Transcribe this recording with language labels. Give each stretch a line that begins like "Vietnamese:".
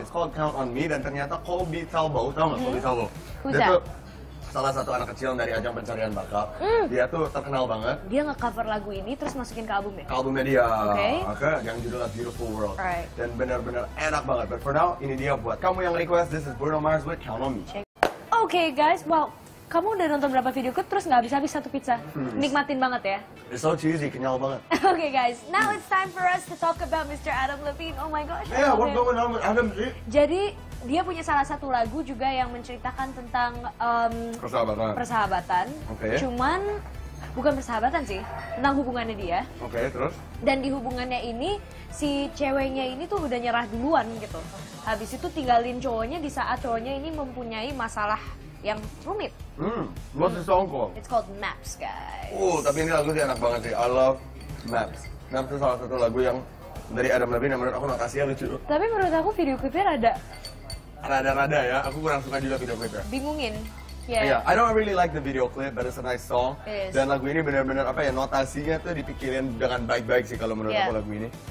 English: It's called Count On Me.
Indonesian: Dan ternyata Colby Talbo, tau gak Colby Talbo?
English: Who's that?
Indonesian: Salah satu anak kecil dari ajang pencarian bakal. Dia tuh terkenal banget. Dia nge-cover lagu ini terus masukin ke albumnya? Ke albumnya dia. Oke. Okay. Yang judulnya Beautiful World.
English: Right.
Indonesian: Dan benar-benar enak banget.
English: But for now,
Indonesian: ini dia buat kamu yang request.
English: This is Bruno Mars with Count On Me. Okay guys, well,
Indonesian: kamu udah nonton berapa video ku terus gak habis-habis satu pizza? Nikmatin banget ya.
English: It's so cheesy,
Indonesian: kenyal banget.
English: Okay guys, now it's time for us to talk about Mr. Adam Levine. Oh my gosh. Yeah, what's going on with Adam?
Indonesian: Jadi... dia punya salah satu lagu juga yang menceritakan tentang persahabatan. Okay. Cuman bukan persahabatan sih, tentang hubungannya dia. Oke, okay, terus? Dan di hubungannya ini si ceweknya ini tuh udah nyerah duluan gitu. Habis itu tinggalin cowoknya di saat cowoknya ini mempunyai masalah yang rumit.
English: What's the song called? It's called Maps, guys.
Indonesian: Tapi ini lagu sih enak banget sih.
English: I love Maps.
Indonesian: Maps itu salah satu lagu yang dari Adam Levine yang menurut aku makasih ya lucu. Tapi menurut aku video clipnya rada-rada ya, aku kurang suka juga video clipnya. Bingungin.
English: Yeah, I don't really like the video clip, but it's a nice song. It is.
Indonesian: Dan lagu ini benar-benar apa ya, notasinya tuh dipikirin dengan baik-baik sih kalau menurut aku lagu ini.